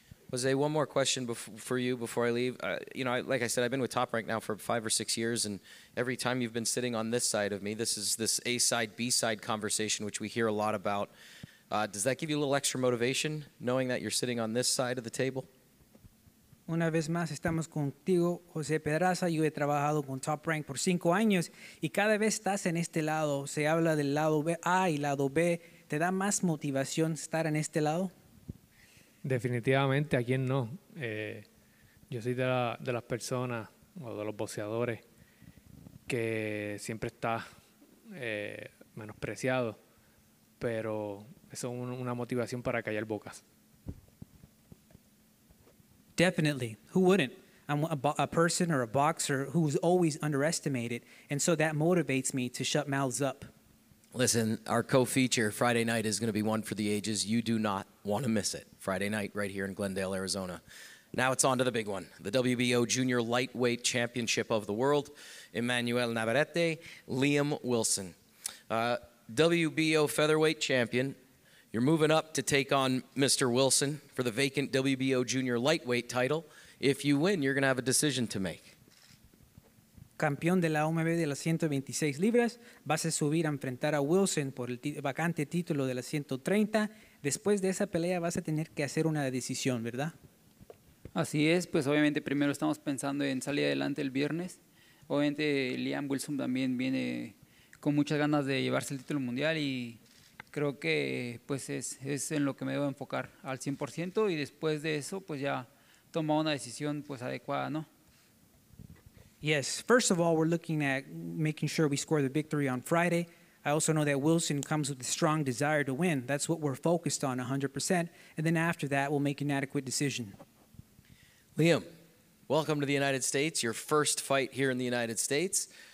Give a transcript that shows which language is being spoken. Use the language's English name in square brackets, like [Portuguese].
[English] Jose, one more question for you before I leave. You know, like I said, I've been with Top Rank now for 5 or 6 years, and every time you've been sitting on this side of me, this is this A side, B side conversation, which we hear a lot about. Does that give you a little extra motivation, knowing that you're sitting on this side of the table? [Spanish] Una vez más estamos contigo, José Pedraza. Yo he trabajado con Top Rank por 5 años y cada vez estás en este lado. Se habla del lado A y lado B. ¿Te da más motivación estar en este lado? Definitivamente, ¿a quién no? Yo soy de las personas o de los boxeadores que siempre está menospreciado, pero eso es una motivación para callar bocas. [English] Definitely. Who wouldn't? I'm a person or a boxer who's always underestimated, and so that motivates me to shut mouths up. Listen, our co-feature Friday night is going to be one for the ages. You do not want to miss it. Friday night right here in Glendale, Arizona. Now it's on to the big one, the WBO Junior Lightweight Championship of the World. Emanuel Navarrete, Liam Wilson. WBO Featherweight Champion. You're moving up to take on Mr. Wilson for the vacant WBO Junior Lightweight title. If you win, you're going to have a decision to make. [Spanish] Campeón de la OMB de las 126 libras, vas a subir a enfrentar a Wilson por el vacante título de las 130. Después de esa pelea vas a tener que hacer una decisión, ¿verdad? Así es, pues obviamente primero estamos pensando en salir adelante el viernes. Obviamente Liam Wilson también viene con muchas ganas de llevarse el título mundial y creo que pues es en lo que me debo enfocar al 100% y después de eso pues ya tomar una decisión pues adecuada, ¿no? [English] Yes, first of all, we're looking at making sure we score the victory on Friday. I also know that Wilson comes with a strong desire to win. That's what we're focused on 100%. And then after that, we'll make an adequate decision. Liam, welcome to the United States, your first fight here in the United States.